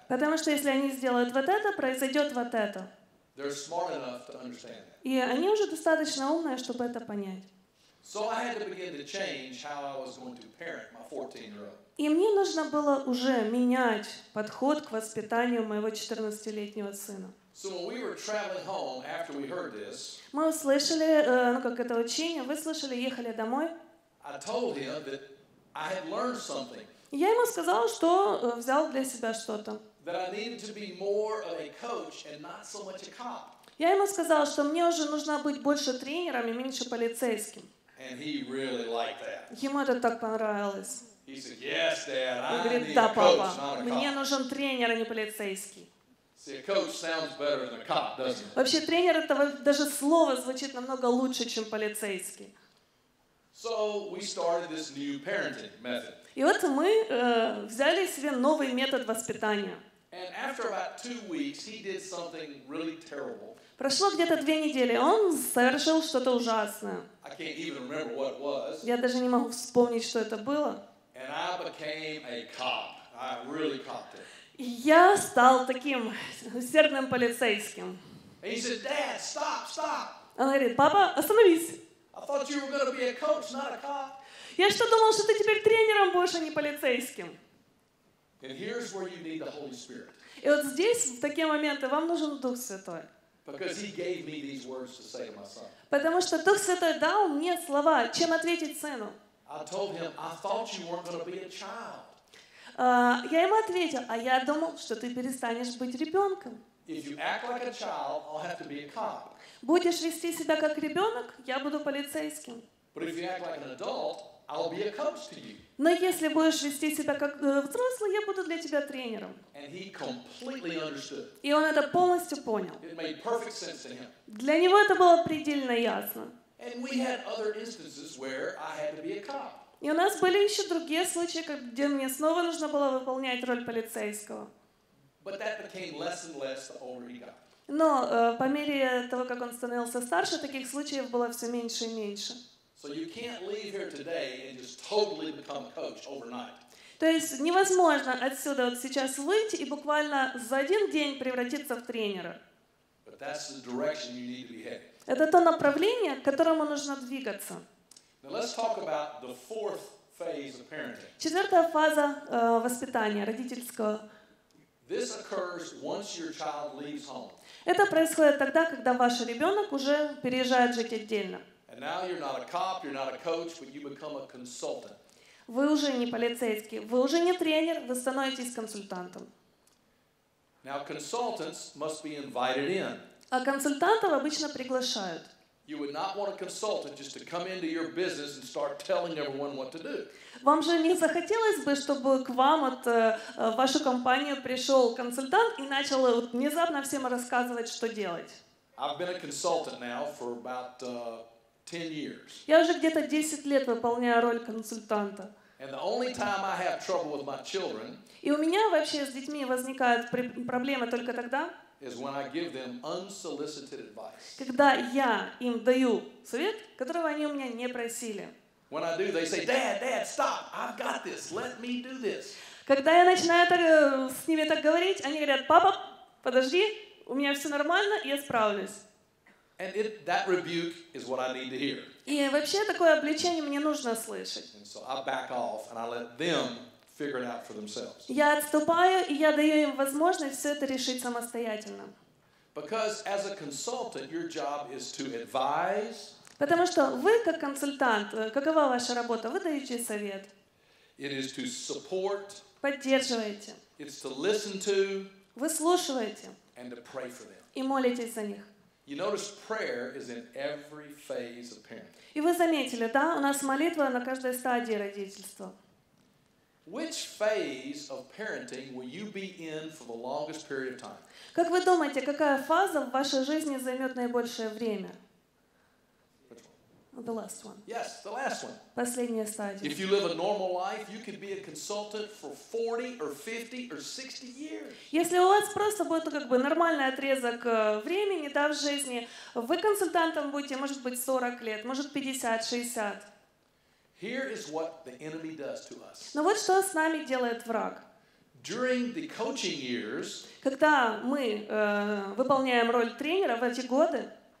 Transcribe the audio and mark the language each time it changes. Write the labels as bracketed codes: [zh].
[ru] Потому что если они сделают вот это, произойдет вот это. [en] They're smart enough to understand that. [ru] И они уже достаточно умные, чтобы это понять. [en] So I had to begin to change how I was going to parent my 14-year-old. [ru] И мне нужно было уже менять подход к воспитанию моего 14-летнего сына. [en] So when we were traveling home after we heard this, [ru] мы услышали, ну как это учение, вы слышали, ехали домой. [en] I told him that I had learned something. [ru] Я ему сказал, что взял для себя что-то. [en] That I needed to be more of a coach and not so much a cop. [ru] Я ему сказал, что мне уже нужно быть больше тренером и меньше полицейским. [en] And he really liked that. [ru] Ему это так понравилось. [en] He said, "Yes, Dad, I [ru] говорит, [en] need [ru] да, [en] a coach, [ru] папа, [en] not a cop." [ru] Мне нужен тренер, а не полицейский. [en] See, a coach sounds better than a cop, doesn't it? [ru] Вообще тренер это даже слово звучит намного лучше, чем полицейский. [en] So we started this new parenting method. [ru] И вот мы взяли себе новый метод воспитания. [en] And after about 2 weeks, he did something really terrible. [ru] Прошло где-то 2 недели, он совершил что-то ужасное. [en] I can't even remember what it was. [ru] Я даже не могу вспомнить, что это было. [en] And I became a cop. I really copped it. [ru] Я стал таким усердным полицейским. [en] And he said, "Dad, stop, stop." [ru] Он говорит, папа, остановись. [en] I thought you were going to be a coach, not a cop. [ru] Я что думал, что ты теперь тренером будешь, а не полицейским. [en] And here's where you need the Holy Spirit. [ru] И вот здесь, в такие моменты, вам нужен Дух Святой. [en] Because he gave me these words to say to my son. [ru] Потому что Дух Святой дал мне слова, чем ответить сыну. [en] I told him, I thought you weren't going to be a child. [ru] Я ему ответил, а я думал, что ты перестанешь быть ребенком. [en] If you act like a child, I'll have to be a cop. [ru] Будешь вести себя как ребенок, я буду полицейским. [en] But if you act like an adult, I'll be a coach to you. [ru] Но если будешь вести себя как взрослый, я буду для тебя тренером. [en] And he completely understood. [ru] И он это полностью понял. [en] It made perfect sense to him. [ru] Для него это было предельно ясно. [en] And we had other instances where I had to be a cop. [ru] И у нас были еще другие случаи, где мне снова нужно было выполнять роль полицейского. [en] But that became less and less the older he got. [ru] Но по мере того, как он становился старше, таких случаев было все меньше и меньше. [en] So you can't leave here today and just totally become a coach overnight. [ru] То есть невозможно отсюда вот сейчас выйти и буквально за один день превратиться в тренера. [en] But that's the direction you need to be headed. [ru] Это то направление, к которому нужно двигаться. [en] Now let's talk about the fourth phase of parenting. [ru] Четвертая фаза воспитания родительского. [en] This occurs once your child leaves home. [ru] Это происходит тогда, когда ваш ребенок уже переезжает жить отдельно. [en] And now you're not a cop, you're not a coach, but you become a consultant. [ru] Вы уже не полицейский, вы уже не тренер, вы становитесь консультантом. [en] Now consultants must be invited in. [ru] А консультантов обычно приглашают. [en] You would not want a consultant just to come into your business and start telling everyone what to do. [ru] Вам же не захотелось бы, чтобы к вам от вашу компанию пришел консультант и начал внезапно всем рассказывать, что делать? [en] I've been a consultant now for about 10 years. [ru] Я уже где-то 10 лет выполняю роль консультанта. [en] And the only time I have trouble with my children. [ru] И у меня вообще с детьми возникают проблемы только тогда. [en] Is when I give them unsolicited advice. [ru] Когда я им даю совет, которого они у меня не просили. [en] When I do, they say, "Dad, Dad, stop! I've got this. Let me do this." [ru] Когда я начинаю с ними так говорить, они говорят, "Папа, подожди, у меня все нормально, я справлюсь." [en] And that rebuke is what I need to hear. [ru] И вообще такое обличение мне нужно слышать. [en] And so I back off and I let them. Figure it out for themselves. [ru] Я отступаю, и я даю им возможность все это решить самостоятельно. [en] Because as a consultant, your job is to advise. [ru] Потому что вы как консультант, какова ваша работа? Вы даете совет. [en] It is to support. [ru] Поддерживаете. [en] It's to listen to. [ru] Вы слушаете. [en] And to pray for them. [ru] И молитесь за них. [en] You notice prayer is in every phase of parenting. [ru] И вы заметили, да, у нас молитва на каждой стадии родительства. [en] Which phase of parenting will you be in for the longest period of time? [ru] Как вы думаете, какая фаза в вашей жизни займет наибольшее время? [en] The last one. Yes, the last one. [ru] Последняя стадия. [en] If you live a normal life, you could be a consultant for 40 or 50 or 60 years. [ru] Если у вас просто будет как бы нормальный отрезок времени, да, в жизни, вы консультантом будете, может быть, 40 лет, может 50, 60. [en] Here is what the enemy does to us. [ru] Но вот что с нами делает враг. [en] During the coaching years, [ru] когда мы выполняем роль тренера в эти годы,